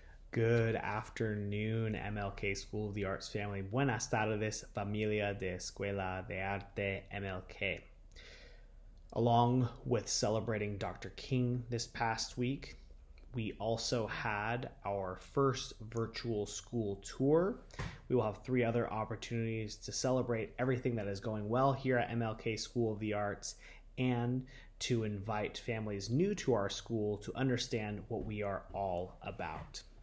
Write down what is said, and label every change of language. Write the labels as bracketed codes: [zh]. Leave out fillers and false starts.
[en] Good afternoon, MLK School of the Arts family. [es] Buenas tardes, familia de Escuela de Arte MLK. [en] Along with celebrating Dr. King this past week, we also had our first virtual school tour. We will have three other opportunities to celebrate everything that is going well here at MLK School of the Arts and to invite families new to our school to understand what we are all about.